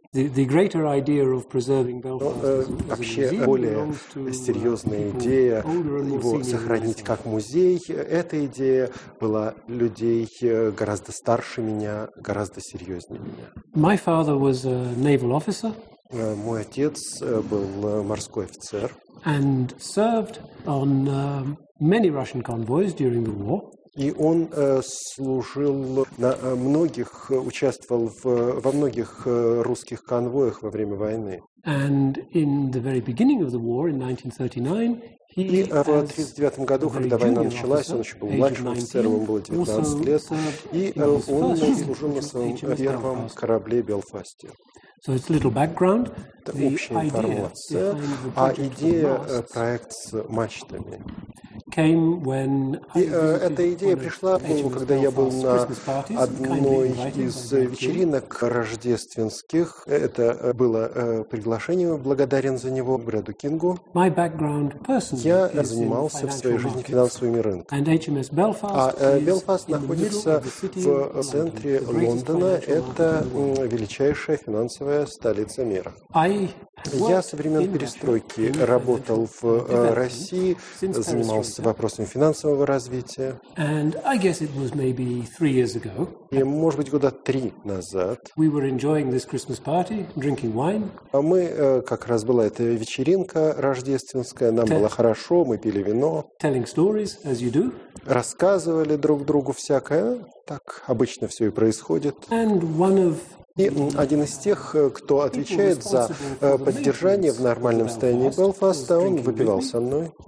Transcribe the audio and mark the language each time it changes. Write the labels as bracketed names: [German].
[Russian] Вообще более серьезная идея его сохранить как музей, эта идея была людей гораздо старше меня, гораздо серьезнее. [English] My father was a naval officer. [Russian] Мой отец был морской офицер. [English] And served on many Russian convoys during the war. [Russian] И он служил на многих, участвовал во многих русских конвоях во время войны. [English] And in the very beginning of the war in 1939, he [Russian] И в 1939 году, когда война началась, он еще был младшим офицером, ему было 19 лет, и он служил на своем первом корабле «Белфасте». [English] So it's a little background. [Russian] Это общая информация. А идея проект с мачтами. Эта идея пришла, по-моему, когда я был на одной из вечеринок рождественских. Это было приглашение, благодарен за него Брэду Кингу. Я занимался в своей жизни финансовыми рынками. А Белфаст находится в центре Лондона. Это величайшая финансовая столица мира. Я со времен перестройки работал в России, занимался вопросами финансового развития. [English] And I guess it was maybe 3 years ago. [Russian] И, может быть, года три назад. [English] We were enjoying this Christmas party, drinking wine. [Russian] А мы, как раз была эта вечеринка рождественская, нам было хорошо, мы пили вино. [English] Telling stories, as you do. [Russian] Рассказывали друг другу всякое, так обычно все и происходит. [English] And one of [Russian] И один из тех, кто отвечает за поддержание в нормальном состоянии Белфаста, он выпивал со мной.